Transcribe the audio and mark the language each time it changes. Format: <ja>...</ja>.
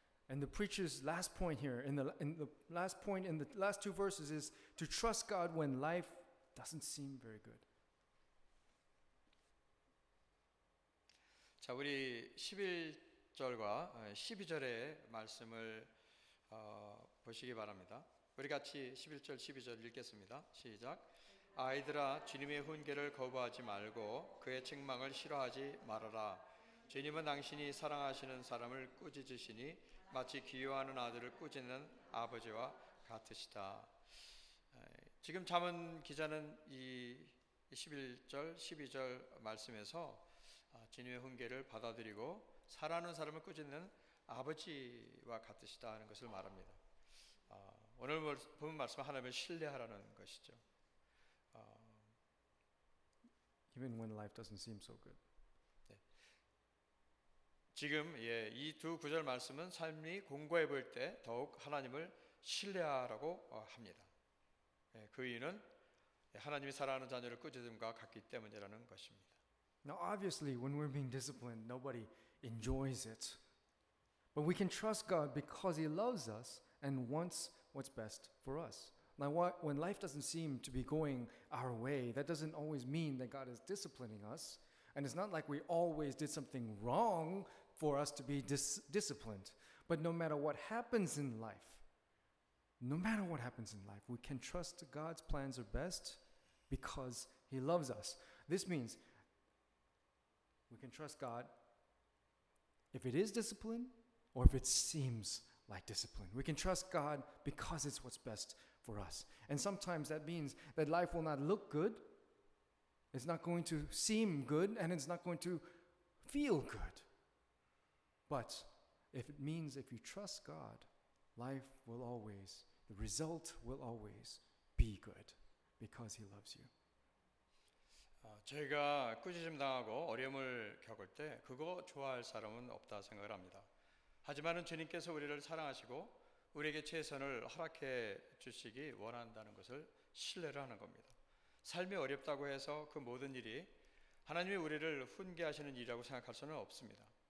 <en>And the preacher's last point here, in the last two verses is to trust God when life doesn't seem very good.</en> <ko>자, 우리 11절과 12절의 말씀을 보시기 바랍니다. 우리 같이 11절 12절 읽겠습니다. 시작. 아이들아, 주님의 훈계를 거부하지 말고 그의 책망을 싫어하지 말아라. 주님은 당신이 사랑하시는 사람을 꾸짖으시니 마치 기요하는 아들을 꾸짖는 아버지와 같으시다. 지금 잠언 기자는 이 11절, 12절 말씀에서 주님의 훈계를 받아들이고 사랑하는 사람을 꾸짖는 아버지와 같으시다 하는 것을 말합니다. 오늘 본 말씀 하나님을 신뢰하라는 것이죠.</ko> <en>Even when life doesn't seem so good. 네.</en> <ko>지금 예, 이 두 구절 말씀은 삶이 공고해 보일 때 더욱 하나님을 신뢰하라고 합니다. 그 이유는 하나님이 사랑하는 자녀를 꾸짖음과 같기 때문이라는 것입니다.</ko> <en>Now obviously when we're being disciplined, nobody enjoys it. But we can trust God because he loves us and wants what's best for us. Now when life doesn't seem to be going our way, that doesn't always mean that God is disciplining us. And it's not like we always did something wrong for us to be disciplined. But no matter what happens in life, no matter what happens in life, we can trust God's plans are best because he loves us. This means we can trust God if it is discipline or if it seems like discipline. We can trust God because it's what's best for us. And sometimes that means that life will not look good, it's not going to seem good, and it's not going to feel good. But if it means if you trust God, life will always, the result will always be good because he loves you.</en> <ko>제가 꾸짖음 당하고 어려움을 겪을 때 그거 좋아할 사람은 없다 생각을 합니다. 하지만은 주님께서 우리를 사랑하시고 우리에게 최선을 허락해 주시기 원한다는 것을 신뢰를 하는 겁니다. 삶이 어렵다고 해서 그 모든 일이 하나님이 우리를 훈계하시는 일이라고 생각할 수는 없습니다.</ko>